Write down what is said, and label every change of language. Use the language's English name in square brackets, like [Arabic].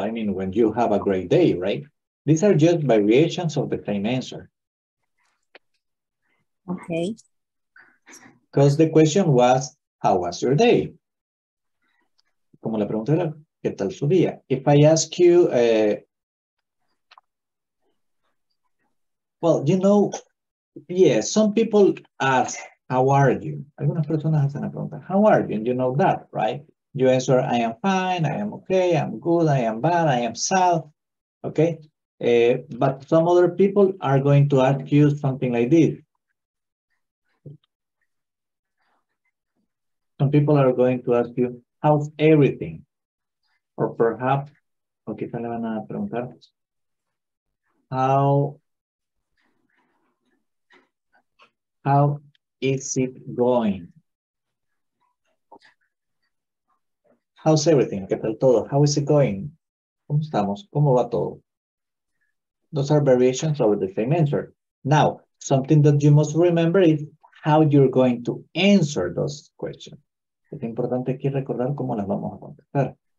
[English] I mean, when you have a great day, right? These are just variations of the same answer. Okay. Because the question was, how was your day? [Spanish] Como la pregunta era, ¿qué tal su día? [English] If I ask you, well, you know, yeah, some people ask, how are you? [Spanish] Algunas personas hacen la pregunta, [English] how are you? And you know that, right? You answer, I am fine, I am okay, I'm good, I am bad, I am sad, okay? But some other people are going to ask you something like this. Some people are going to ask you, how's everything? Or perhaps, [Spanish] o quizá le van a preguntar, [English] how is it going? How's everything? [Spanish] ¿Qué tal todo? [English] How is it going? [Spanish] ¿Cómo estamos? ¿Cómo va todo? [English] Those are variations of the same answer. Now, something that you must remember is how you're going to answer those questions. [Spanish] Es importante aquí recordar cómo las vamos a contestar.